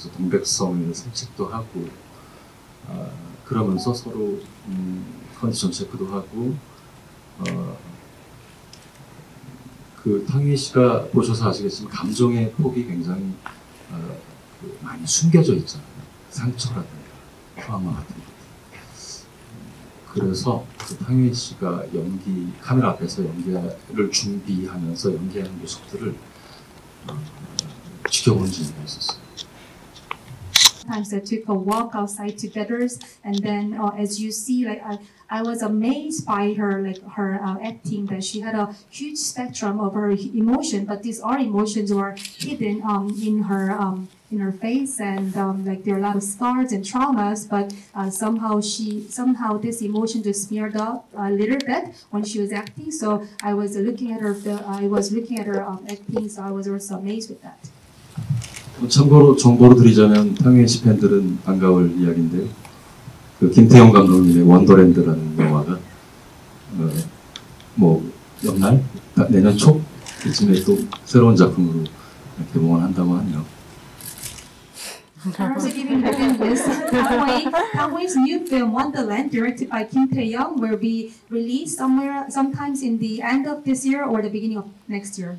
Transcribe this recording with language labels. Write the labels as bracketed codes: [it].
[ko] 그래서 동백섬을 산책도 하고 그러면서 서로 컨디션 체크도 하고 그 탕혜 씨가 보셔서 아시겠지만 감정의 폭이 굉장히 많이 숨겨져 있잖아요. 상처라든가 트라우마 같은 것들. 그래서 그 탕혜 씨가 연기 카메라 앞에서 연기를 준비하면서 연기하는 모습들을 [en] Sometimes I took a walk outside together, and then as you see, like I was amazed by her, like her acting. That she had a huge spectrum of her emotion, but these are emotions were hidden in her face, and like there are a lot of scars and traumas. But somehow this emotion just smeared up a little bit when she was acting. So I was looking at her, acting. So I was also amazed with that. [ko] 참고로 정보로 드리자면 탕혜 씨 팬들은 반가울 이야기인데 그 김태형 감독님의 원더랜드라는 영화가 뭐 연말 내년 초 이쯤에 또 새로운 작품으로 개봉을 한다고 하네요. [en] Charles giving the good news. Tang Wei's new film Wonderland, directed by Kim Tae Young, will be released sometime in the end of this year or the beginning of next year.